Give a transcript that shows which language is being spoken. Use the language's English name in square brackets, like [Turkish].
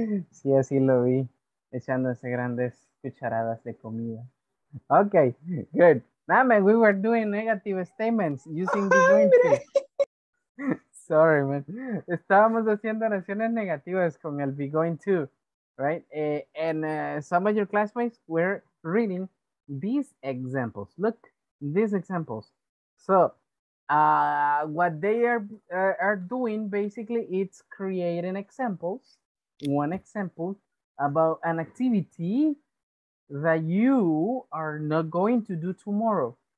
[Spanish] Sí, así lo vi, echándose grandes cucharadas de comida. [English] Okay, good. Now, man, we were doing negative statements using the winter. Sorry, man. [Spanish] Estábamos haciendo oraciones negativas con el be going to, [English] right? And some of your classmates were reading these examples. Look, these examples. So, what they are doing basically, it's creating examples, one example about an activity that you are not going to do tomorrow.